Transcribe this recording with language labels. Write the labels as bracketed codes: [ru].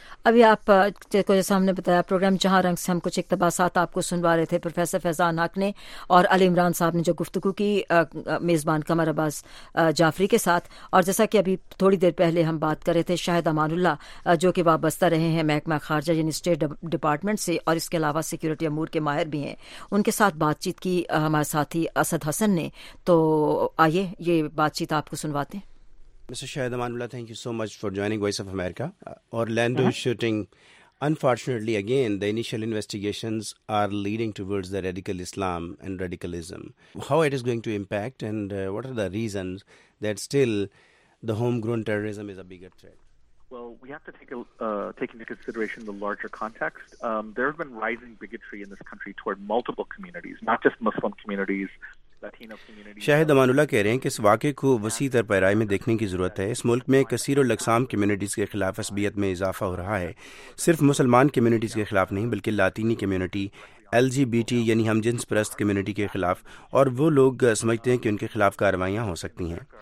[ur] ابھی آپ کو جیسا ہم نے بتایا پروگرام جہاں رنگ سے ہم کچھ اقتباسات آپ کو سنوا رہے تھے, پروفیسر فیضان حق نے اور علی عمران صاحب نے جو گفتگو کی میزبان قمر عباس جعفری کے ساتھ, اور جیسا کہ ابھی تھوڑی دیر پہلے ہم بات کر رہے تھے شاہد امان اللہ جو کہ وابستہ رہے ہیں محکمہ خارجہ یعنی اسٹیٹ ڈپارٹمنٹ سے اور اس کے علاوہ سیکیورٹی امور کے ماہر بھی ہیں, ان کے ساتھ بات چیت کی ہمارے ساتھی اسد حسن نے, تو آئیے یہ بات چیت آپ کو سنواتے ہیں. [en] Mr. Shahid Amanullah, thank you so much for joining Voice of America. Orlando shooting, unfortunately, again, the initial investigations are leading towards the radical Islam and radicalism. How it is going to impact and what are the reasons that still the homegrown terrorism is a bigger threat? Well, we have to take take into consideration the larger context. There have been rising bigotry in this country toward multiple communities, not just Muslim communities. [ur] شاہد امان اللہ کہہ رہے ہیں کہ اس واقعے کو وسیع تر پیرائے میں دیکھنے کی ضرورت ہے. اس ملک میں کثیر الاقسام کمیونٹیز کے خلاف عصبیت میں اضافہ ہو رہا ہے, صرف مسلمان کمیونٹیز کے خلاف نہیں بلکہ لاطینی community, L جی B T یعنی ہم جنس پرست کمیونٹی کے خلاف, اور وہ لوگ سمجھتے ہیں کہ ان کے خلاف کاروائیاں ہو سکتی ہیں.